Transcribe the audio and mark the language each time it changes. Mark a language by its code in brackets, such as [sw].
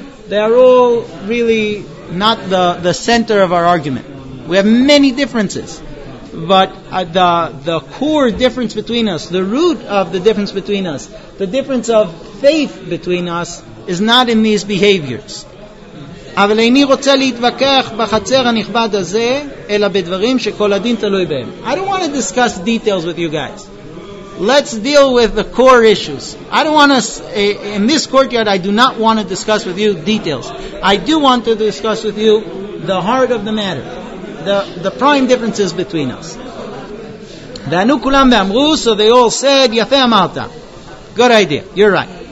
[en] They are all really not the center of our argument. We have many differences, but the core difference between us, the root of the difference between us, the difference of faith between us, is not in these behaviors. [he] אבל איני רוצה להתווכח בחצר הנכבד הזה, אלא בדברים שכל הדין תלוי בהם. I don't want to discuss details with you guys. [en] let's deal with the core issues. I don't want to, in this courtyard, I do not want to discuss with you details. I do want to discuss with you the heart of the matter, the prime differences between us. So they all said, Yafe amarta. Good idea. You're right.